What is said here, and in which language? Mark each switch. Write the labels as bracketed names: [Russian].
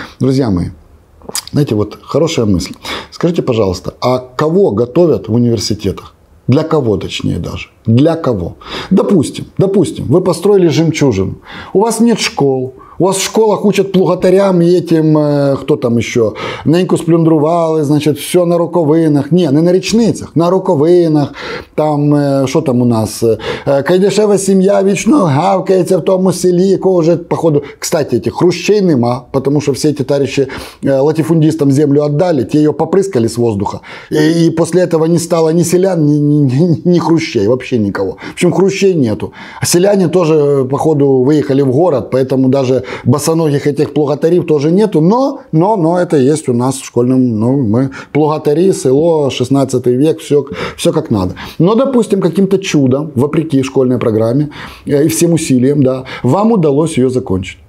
[Russian] Друзья мои, знаете, вот хорошая мысль. Скажите, пожалуйста, а кого готовят в университетах? Для кого, точнее даже? Для кого? Допустим, вы построили жемчужину. У вас нет школ, У вас в школах учат плугатарям и этим, кто там еще, [Ukrainian] неньку сплюндрували, [Russian] значит, все на роковинах. [Ukrainian] Ні, не на річницях, на роковинах, там, що там у нас, кайдешева сім'я вічно гавкається в тому селі, якого вже, походу, [Russian] кстати, эти, [Ukrainian] хрущей нема, тому що всі ті товариші латифундістам землю віддали, ті її поприскали з воздуха, і після цього не стало ні селян, ні хрущей, [Russian] вообще [Ukrainian] нікого. [Russian] В общем, хрущей нету. [Ukrainian] А селяни теж, [Russian] походу, виїхали в город, поэтому даже босоногих этих плугатарів тоже нету, но это есть у нас в школьном, ну, мы плугатари, село, 16 век, все как надо. Но, допустим, каким-то чудом, вопреки школьной программе и всем усилиям, да, вам удалось ее закончить.